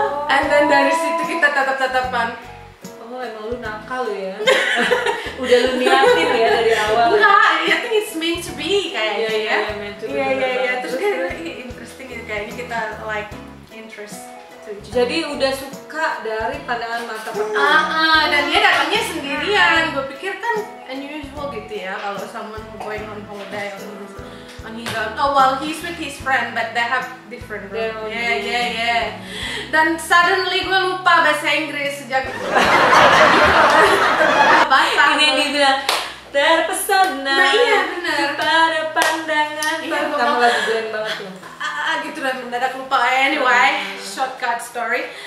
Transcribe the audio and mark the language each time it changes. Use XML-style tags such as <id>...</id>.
<en>And then</en> <id>dari situ kita tatap-tatapan. Oh, emang lu nakal ya. Udah lu niatin ya dari awal.</id> <en>Enggak, I think it's meant to be kayaknya.</en> <id>Iya, iya,</id> <en>meant to be.</en> <id>Iya, iya, iya. Terus kayak interesting gitu, kayak ini kita</id> <en>like interest.</en> <id>Jadi udah suka dari pandangan mata pertama. Dan dia datangnya sendirian. Gue pikir kan unusual gitu ya kalau</id> <en>someone going on holiday on his own. Oh well, he's with his friend, but they have different room. Yeah.</en> <id>Dan suddenly gue lupa bahasa Inggris sejak itu. Bahasa ini dibilang terpesona. Nah iya benar. Pada pandangan. Iya, kamu lagi jalan banget tuh. Gitu dan mendadak lupa.</id> <en>Anyway, shortcut story.</en>